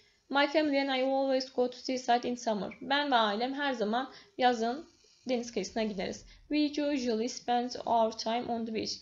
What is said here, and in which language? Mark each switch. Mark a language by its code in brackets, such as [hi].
[en] My family and I always go to seaside in summer. [tr] Ben ve ailem her zaman yazın deniz kıyısına gideriz. [en] We usually spend our time on the beach.